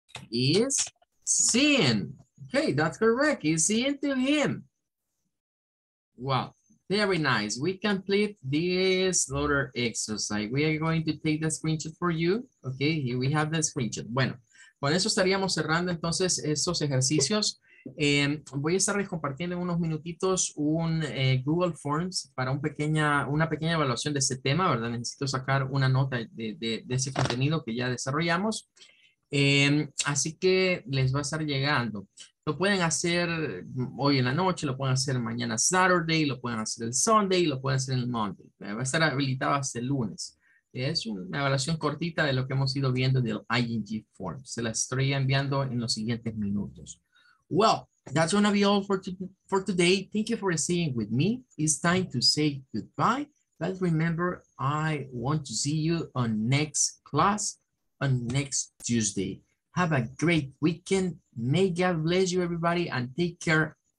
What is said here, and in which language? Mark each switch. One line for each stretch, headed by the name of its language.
English: Is seeing. Okay, that's correct. He's seeing to him. Wow, very nice. We complete this letter exercise. We are going to take the screenshot for you. Okay, here we have the screenshot.
Spanish: Bueno, con eso estaríamos cerrando entonces estos ejercicios. Voy a estarles compartiendo en unos minutitos un Google Forms para una pequeña evaluación de este tema, ¿verdad? Necesito sacar una nota de ese contenido que ya desarrollamos. Así que les va a estar llegando. Lo pueden hacer hoy en la noche, lo pueden hacer mañana Saturday, lo pueden hacer el Sunday, lo pueden hacer el Monday. Va a estar habilitado hasta el lunes. Es una evaluación cortita de lo que hemos ido viendo del ING Form. Se la estoy enviando en los siguientes minutos.
English: Well, that's going to be all for today. Thank you for staying with me. It's time to say goodbye. But remember, I want to see you on next class, on next Tuesday. Have a great weekend. May God bless you, everybody, and take care.